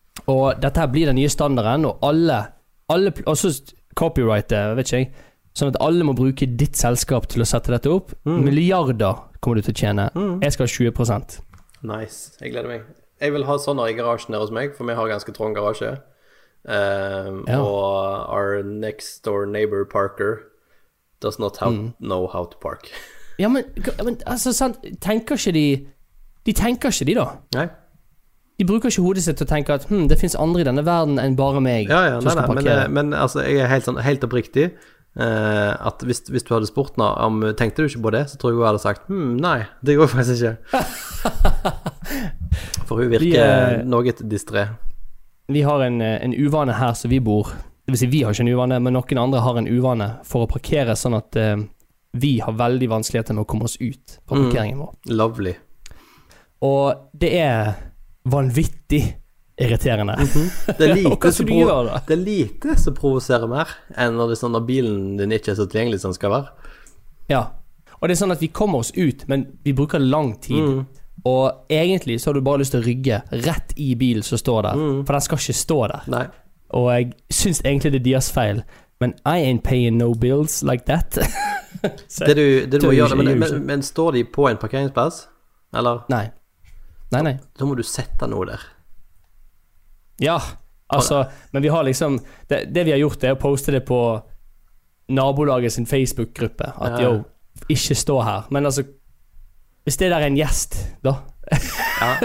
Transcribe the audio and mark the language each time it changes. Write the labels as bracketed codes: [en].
[no] Og dette her blir den nye standarden. Og alle og så copyright det, vet ikke jeg. Sånn at alle må bruke ditt selskap til å sette dette opp. Milliarder kommer du til å tjene. Jeg skal ha 20%. Nice, jeg gleder meg. Jeg vil ha sånne i garasjen der hos meg, for vi har ganske trång garasje. Og [en] our next door neighbor Parker does not know how to park. [no] Ja, men altså, sant, tenker ikke de, de tenker ikke de da? Nei. De bruker ikke hodet sitt til å tenke at det finnes andre i denne verden enn bare meg. Ja, ja, nei, men altså, jeg er helt, sånn, helt oppriktig, at hvis du hadde spurt nå, om tenkte du ikke på det, så tror jeg hun hadde sagt, nei, det går faktisk ikke. For hun virker noe distre. Vi har en uvane her som vi bor, det vil si vi har ikke en uvane, men noen andre har en uvane for å parkere sånn at... vi har veldig vanskeligheter med å komme oss ut på parkeringen vår. [en] Lovely. [no] Og det er vanvittig irriterende. Det er lite som provoserer mer enn når, sånn, når bilen din ikke er så tilgjengelig som den skal være. Ja, og det er sånn at vi kommer oss ut, men vi bruker lang tid. Og egentlig så har du bare lyst til å rygge rett i bilen som står der. For den skal ikke stå der. Nei. Og jeg synes egentlig det er deres feil. [en] Men I ain't paying no bills like that. [no] det du må gjøre, men står de på en parkeringsplass? Eller? Nei. Nei. Da må du sette noe der. Ja, altså, men vi har liksom, det vi har gjort er å poste det på nabolaget sin Facebook-gruppe, at de jo ikke står her. Men altså, hvis det der er en gjest, da, Ja.